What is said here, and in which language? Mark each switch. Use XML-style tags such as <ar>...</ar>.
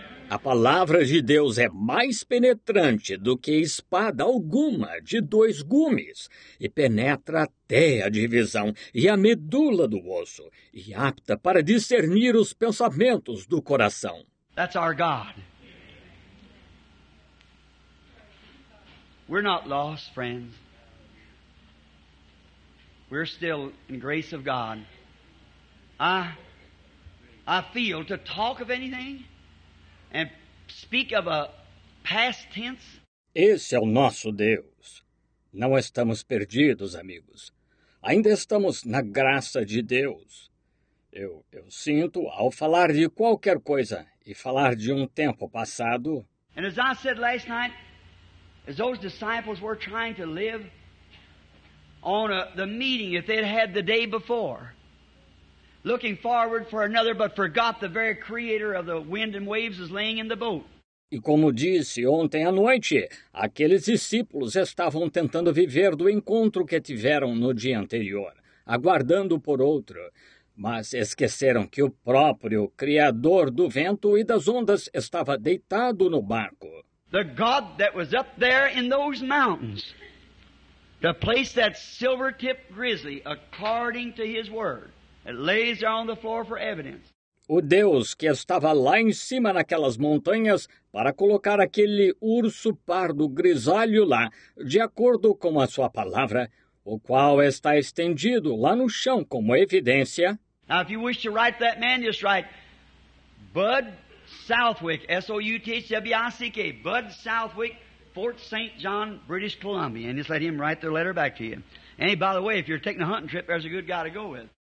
<pt>A palavra de Deus é mais penetrante do que espada alguma de dois gumes, e penetra até a divisão e a medula do osso, e apta para discernir os pensamentos do coração.</pt> <en>That's our God. We're not lost, friends. We're still in grace of God. I feel to talk of anything and speak of a past tense.</en> <pt>Esse é o nosso Deus. Não estamos perdidos, amigos. Ainda estamos na graça de Deus. Eu sinto ao falar de qualquer coisa e falar de tempo passado.</pt> <en>And as I said last night, as those disciples were trying to live on the meeting that they'd had the day before, looking forward for another, but forgot the very creator of the wind and waves is laying in the boat.</en> <pt>E como disse ontem à noite, aqueles discípulos estavam tentando viver do encontro que tiveram no dia anterior, aguardando por outro, mas esqueceram que o próprio criador do vento e das ondas estava deitado no barco.</pt> <en>The God that was up there in those mountains to place that silver-tipped grizzly according to his word that lays there on the floor for evidence.</en> <pt>O Deus que estava lá em cima naquelas montanhas para colocar aquele urso pardo grisalho lá, de acordo com a sua palavra, o qual está estendido lá no chão como evidência.</pt> <en>Now, if you wish to write that man, just write, Bud Southwick, S-O-U-T-H-W-I-C-K, Bud Southwick, Fort St. John, British Columbia. And just let him write the letter back to you. And by the way, if you're taking a hunting trip, there's a good guy to go with.</en>